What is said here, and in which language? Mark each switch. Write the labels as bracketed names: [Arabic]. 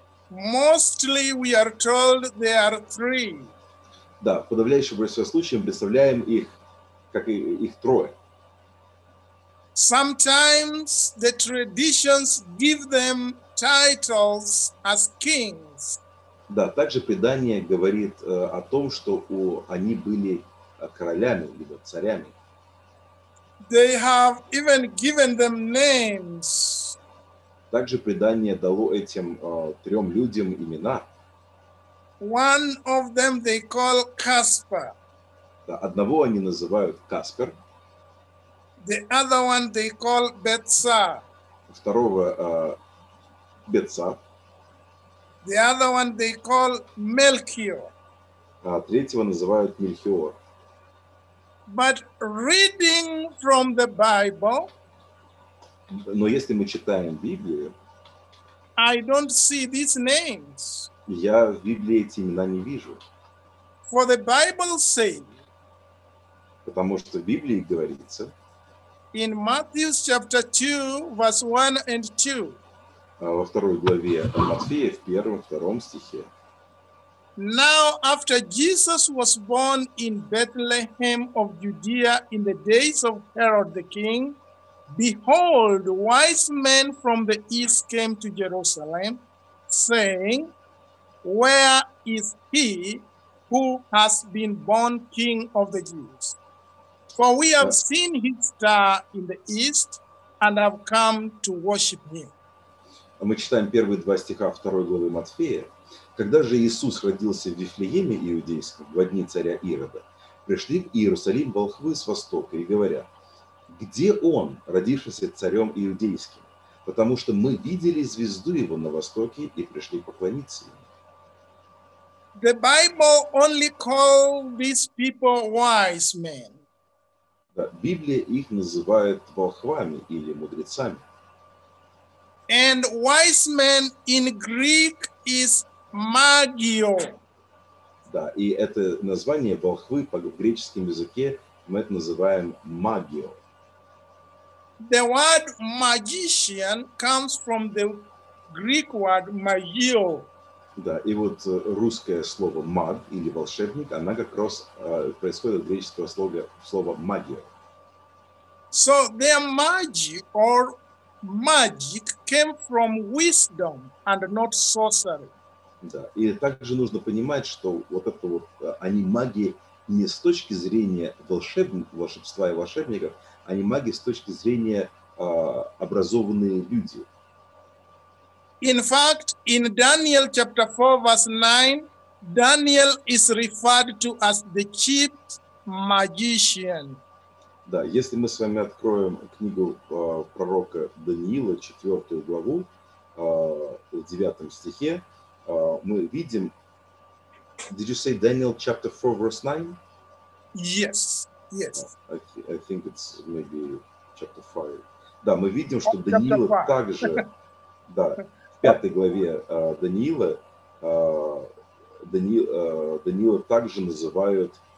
[English] Mostly we are told there are three. [Russian] Да, в подавляющем большинстве случаев представляем их как их трое. [English] Sometimes the traditions give them titles as kings. [Russian] Да, также предание говорит о том, что они были королями либо царями. [English] They have even given them names. [Russian] Также предание дало этим трем людям имена. [English] One of them they call Caspar. [Russian] Да, одного они называют Каспер. [English] The other one they call Betsa. [Russian] Второго Betsa. [English] The other one they call Melchior. [Russian] А третьего называют Мельхиор. [English] But reading from the Bible, [Russian] но если мы читаем Библию, [English] I don't see these names. [Russian] Я в Библии эти имена не вижу. [English] For the Bible says, [Russian] потому что в Библии говорится, [English] in Matthew chapter 2, verse 1 and 2, [Russian] во второй главе Матфея, в первом, втором стихе. [English] Now, after Jesus was born in Bethlehem of Judea in the days of Herod the king, behold, wise men from the east came to Jerusalem, saying, where is he who has been born king of the Jews? For we have seen his star in the east and have come to worship him. [Russian] Мы читаем первые два стиха второй главы Матфея. Когда же Иисус родился в Вифлееме Иудейском, во дни царя Ирода, пришли в Иерусалим волхвы с востока и говорят, где он, родившийся царем Иудейским? Потому что мы видели звезду его на востоке и пришли поклониться ему. [English] The Bible only call these people wise men. [Russian] Да, Библия их называет волхвами или мудрецами. [English] And wise man in Greek is magio. [Russian] Да, и это название волхвы в греческом языке мы это называем magio. [English] The word magician comes from the Greek word magio. [Russian] Да, и вот русское слово маг или волшебник, оно как раз происходит от греческого слова magio. [English] So their magic or magic came from wisdom and not sorcery. [Russian] Да, и также нужно понимать, что вот это вот они маги не с точки зрения волшебства и волшебников, они маги с точки зрения образованные люди. [English] In fact, in Daniel chapter 4 verse 9, Daniel is referred to as the chief magician. [Russian] Да, если мы с вами откроем книгу пророка Даниила, 4 главу, в 9 стихе, мы видим... [English] Did you say Daniel chapter 4, verse 9? Yes, yes. I think it's maybe chapter 5. [Russian] Да, мы видим, что Даниила также... Да, в 5 главе Даниила, Даниила также называют...